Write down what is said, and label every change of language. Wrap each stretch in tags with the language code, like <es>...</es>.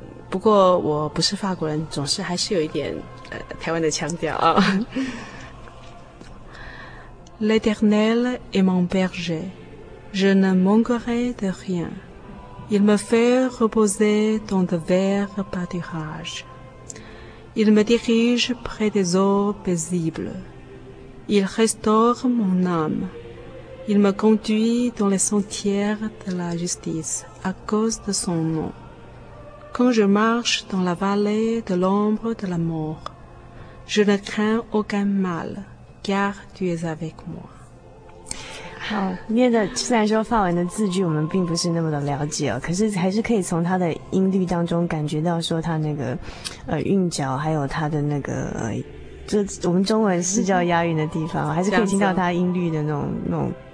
<zh>不过我不是法国人，总是还是有一点台湾的腔调啊。</zh> <fr>L'Éternel est mon berger, je ne manquerai de rien. Il me fait reposer dans de verts pâturages. Il me dirige près des eaux paisibles. Il restaure mon âme. Il me conduit dans les sentiers de la justice à cause de son nom. Quand je marche dans la vallée de l'ombre de la mort, je ne crains aucun mal, car tu es avec moi.</fr> <zh>好，念的虽然说法文的字句我们并不是那么的了解哦，可是还是可以从它的音律当中感觉到说它那个韵脚，还有它的那个就我们中文是叫押韵的地方，还是可以听到它音律的那种。</zh>